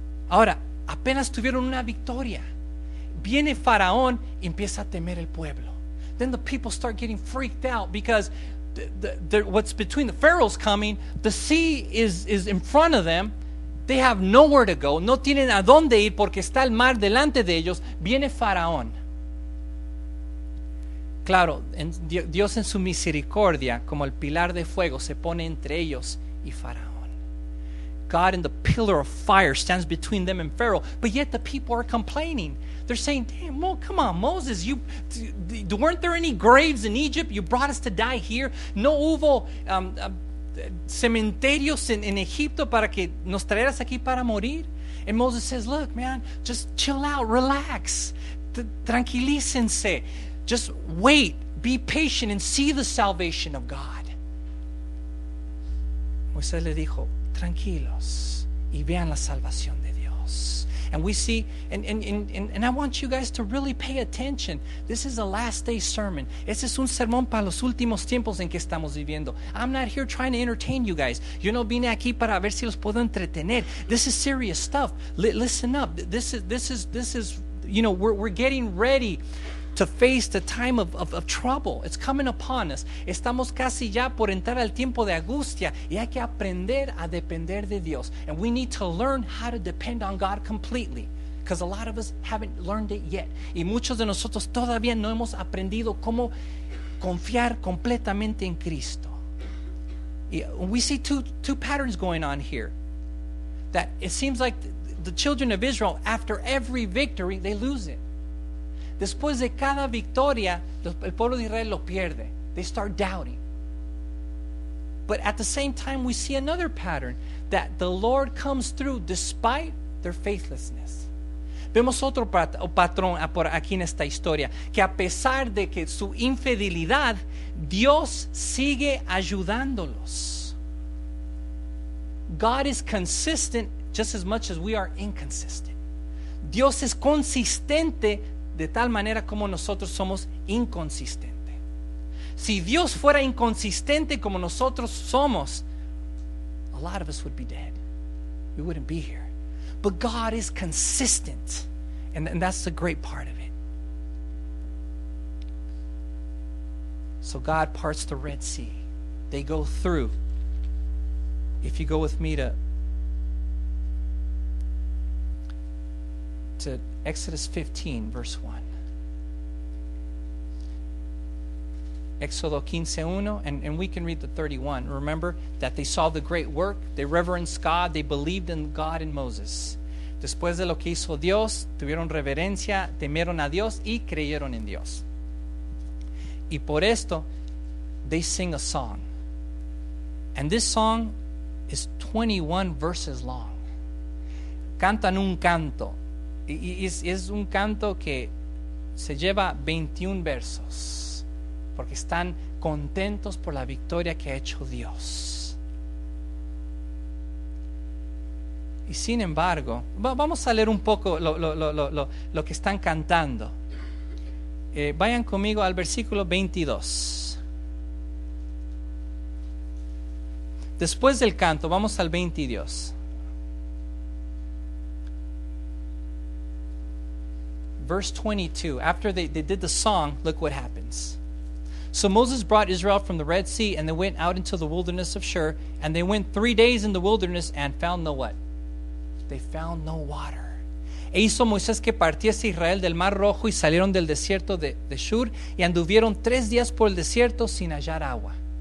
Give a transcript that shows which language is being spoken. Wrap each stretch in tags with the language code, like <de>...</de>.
<es>Ahora, apenas tuvieron una victoria. Viene faraón y empieza a temer el pueblo.</es> <en>Then the people start getting freaked out because what's between the Pharaoh's coming, the sea is in front of them. They have nowhere to go.</en> <es>No tienen a dónde ir porque está el mar delante de ellos. Viene faraón. Claro, Dios en su misericordia, como el pilar de fuego, se pone entre ellos y faraón.</es> <en>God in the pillar of fire stands between them and Pharaoh. But yet the people are complaining. They're saying, damn, well, come on, Moses, weren't there any graves in Egypt? You brought us to die here.</en> <es>No hubo cementerios en Egipto para que nos traeras aquí para morir.</es> <en>And Moses says, look, man, just chill out, relax.</en> <es>tranquilícense.</es> <en>Just wait, be patient and see the salvation of God.</en> <es>Moisés le dijo, tranquilos y vean la salvación de Dios.</es> <en>And we see, and I want you guys to really pay attention. This is a last day sermon.</en> <es>Este es un sermón para los últimos tiempos en que estamos viviendo.</es> <en>I'm not here trying to entertain you guys.</en> <es>Yo no vine aquí para ver si los puedo entretener.</es> <en>This is serious stuff. Listen up. This is you know, we're getting ready to face the time of trouble. It's coming upon us.</en> <es>Estamos casi ya por entrar al tiempo de angustia y hay que aprender a depender de Dios.</es> <en>And we need to learn how to depend on God completely, because a lot of us haven't learned it yet.</en> <es>Y muchos de nosotros todavía no hemos aprendido cómo confiar completamente en Cristo.</es> <en>We see two patterns going on here, that it seems like the children of Israel, after every victory, they lose it.</en> <es>Después de cada victoria, el pueblo de Israel lo pierde.</es> <en>They start doubting. But at the same time, we see another pattern, that the Lord comes through despite their faithlessness.</en> <es>Vemos otro patrón por aquí en esta historia, que a pesar de que su infidelidad, Dios sigue ayudándolos.</es> <en>God is consistent just as much as we are inconsistent.</en> <es>Dios es consistente de tal manera como nosotros somos inconsistente. Si Dios fuera inconsistente como nosotros somos,</es> <en>a lot of us would be dead. We wouldn't be here. But God is consistent, and that's the great part of it. So God parts the Red Sea. They go through. If you go with me to Exodus 15, verse 1. Exodo 15:1, and we can read the 31. Remember that they saw the great work, they reverenced God, they believed in God and Moses.</en> <es>Después de lo que hizo Dios, tuvieron reverencia, temieron a Dios y creyeron en Dios. Y por esto,</es> <en>they sing a song. And this song is 21 verses long.</en> <es>Cantan un canto. Es un canto que se lleva 21 versos. Porque están contentos por la victoria que ha hecho Dios. Y sin embargo, vamos a leer un poco lo que están cantando. Vayan conmigo al versículo 22. Después del canto, vamos al 22.</es> <en>Verse 22. After they did the song, look what happens. So Moses brought Israel from the Red Sea, and they went out into the wilderness of Shur, and they went 3 days in the wilderness and found no what? They found no water.</en> <es>E hizo Moisés que partiese Israel del Mar Rojo y salieron del desierto de Shur y anduvieron 3 días por el desierto sin hallar agua.</es>